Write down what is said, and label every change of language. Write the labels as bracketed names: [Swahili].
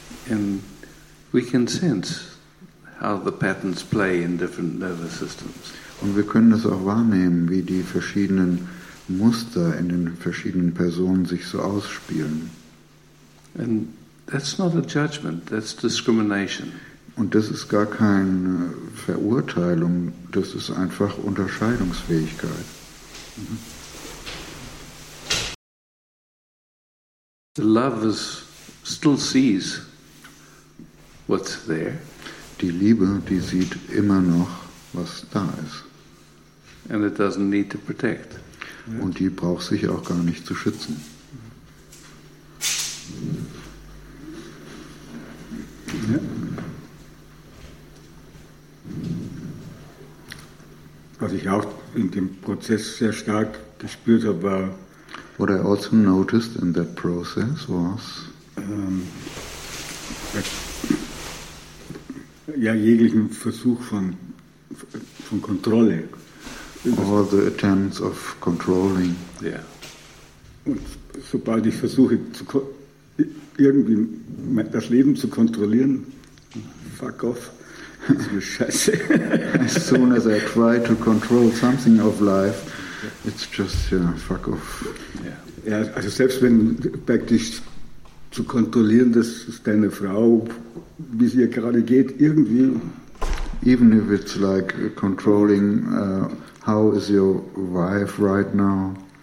[English] And we can sense how the patterns play in different nervous systems. [German] Und wir können das auch wahrnehmen, wie die verschiedenen Muster in den verschiedenen Personen sich so ausspielen. [English] And that's not a judgment, that's discrimination. [German] Und das ist gar keine Verurteilung, das ist einfach Unterscheidungsfähigkeit. [English] The love is still sees what's there. [German] Die Liebe, die sieht immer noch, was da ist. [English] And it doesn't need to protect. [German] Und die braucht sich auch gar nicht zu schützen. Was ich auch in dem Prozess sehr stark gespürt habe, war, [English] what I also noticed in that process was, [German] ja, jeglichen Versuch von Kontrolle. [English] All the attempts of controlling. Yeah. [German] Und sobald ich versuche, irgendwie das Leben zu kontrollieren, fuck off, das ist mir scheiße. [English] As soon as I try to control something of life, it's just, yeah, fuck off. Yeah. [German] Ja, also selbst wenn praktisch zu kontrollieren, dass deine Frau, wie es ihr gerade geht, irgendwie. [English] Even if it's like controlling, how is your wife right now?